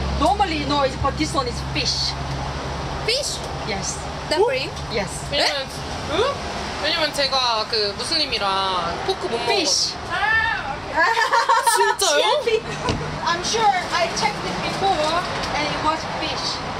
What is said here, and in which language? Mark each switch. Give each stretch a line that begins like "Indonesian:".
English: Normally no, it's but this one is fish. Fish? Yes. Dumpling? Yes.
Korean: 왜냐면 제가 그 무슬림이랑 포크 못 먹어. 진짜요?
English: I'm sure I checked it before and it was fish.